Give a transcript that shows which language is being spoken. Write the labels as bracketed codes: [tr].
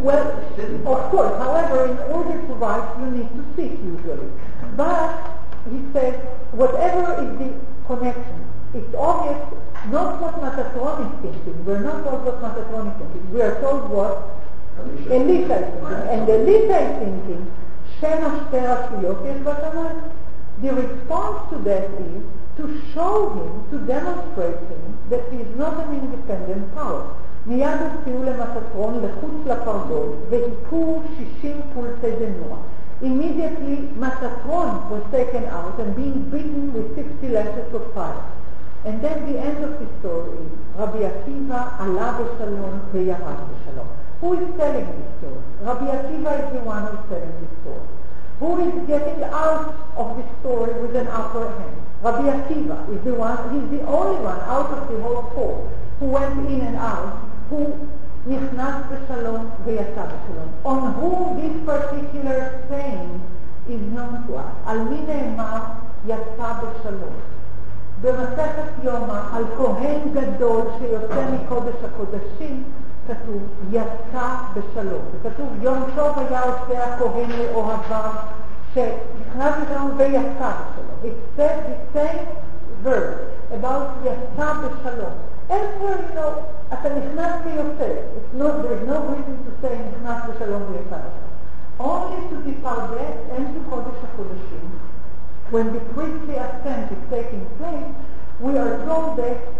[en] Well, of course, however, in order to write, you need to sit usually. But he says, whatever is the connection, it's obvious not what Matatron is thinking. We're not told what Matatron is thinking. We are told what Elisha is thinking. And Elisha is thinking, [he] שם השתי רשויות יש בשמיים. [en] The response to that is to show him, to demonstrate him, that he is not an independent power. [he] מיד הוציאו למטטרון לחוץ לפרגול, והיכו 60 קולטי דנוע. [en] Immediately, מטטרון was taken out and being beaten with 60 lashes of fire. And then the end of the story, [he] רבי עקיבא עלה בשלום וירד בשלום. [en] Who is telling this story? Rabbi Akiva is the one who is telling this story. Who is getting out of the story with an upper hand? Rabbi Akiva is the one, he's the only one out of the whole court who went in and out, who [he] nichnas b'shalom v'yata b'shalom. [en] On whom this particular saying is known to us. [he] Al mi ne'emar yata b'shalom. במסכת יומא, על כהן גדול שיוצא מקודש הקודשים, כתוב, יצא בשלום. וכתוב, יום טוב היה עושה הכהן לאוהביו, שנכנס לשלום ויצא בשלום. [en] It's the same word about [he] יצא בשלום. [en] Elsewhere, you know, [he] אתה נכנס ויוצא. [en] There's no reason to say [he] נכנס בשלום ויצא בשלום. [en] Only to depart yet and to קודש הקודשים, when the priestly ascent is taking place, we are told that